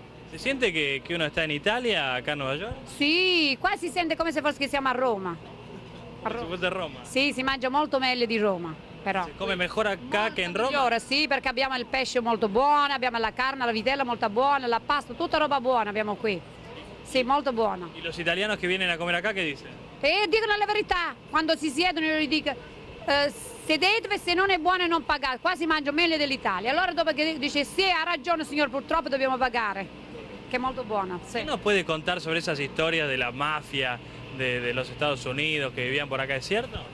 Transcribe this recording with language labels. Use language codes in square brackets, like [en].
[es] ¿Se siente que uno está en Italia, acá en Nueva York? [it] Sí, qua si siente como si fuese que siamo a Roma. [es] ¿Fuese Roma? [it] Sí, si mangia molto meglio di Roma, però. [es] ¿Se come mejor acá [it] molto [es] que en Roma? Migliore, [it] sí, porque abbiamo el pesce molto buono, abbiamo la carne, la vitella molto buona, la pasta, tutta roba buona abbiamo qui. Sí, molto buona. [es] ¿Y los italianos que vienen a comer acá qué dicen? [it] Dicono la verità. Quando si siedono io gli dico, sedetevi, se non è buono non pagate. Qua si mangia meglio dell'Italia. Allora dopo che dice, sì, ha ragione signor, purtroppo dobbiamo pagare. [es] Que muy buena, sí. ¿Qué nos puede contar sobre esas historias de la mafia de los Estados Unidos que vivían por acá, es cierto?